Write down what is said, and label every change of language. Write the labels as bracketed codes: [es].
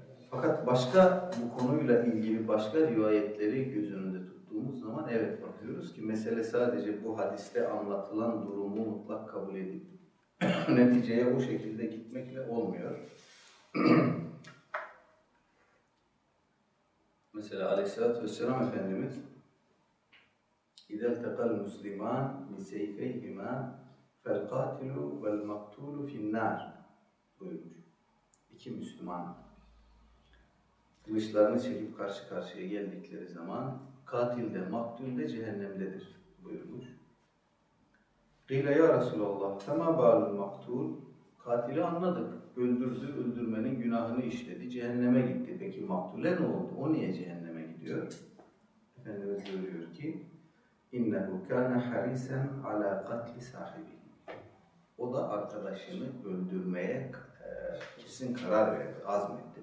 [tr] Fakat başka bu konuyla ilgili başka rivayetleri göz önünde tuttuğumuz zaman evet bakıyoruz ki mesele sadece bu hadiste anlatılan durumu mutlak kabul edip neticeye bu şekilde gitmekle olmuyor. Mesela Aleyhisselatü Vesselam Efendimiz [ar] اِذَا اَلْتَقَى الْمُسْلِمَانِ لِسَيْفَيْهِمَا فَالْقَاتِلُ وَالْمَقْتُولُ فِي النَّارِ [tr] buyurmuş. İki Müslüman kılıçlarını çekip karşı karşıya geldikleri zaman katil de maktul de cehennemdedir buyurmuş. [ar] قِيلَ يَا رَسُولَ اللّٰهُ فَمَا بَعْلُ الْمَقْتُولُ [tr] katili anladık. Öldürdü, öldürmenin günahını işledi. Cehenneme gitti. Peki maktule ne oldu? O niye cehenneme gidiyor? Efendimiz görüyor ki [ar] اِنَّهُ كَانَ حَرِيسًا عَلَى قَتْلِ سَحِبِهِ [tr] o da arkadaşını öldürmeye kesin karar verdi, azmetti.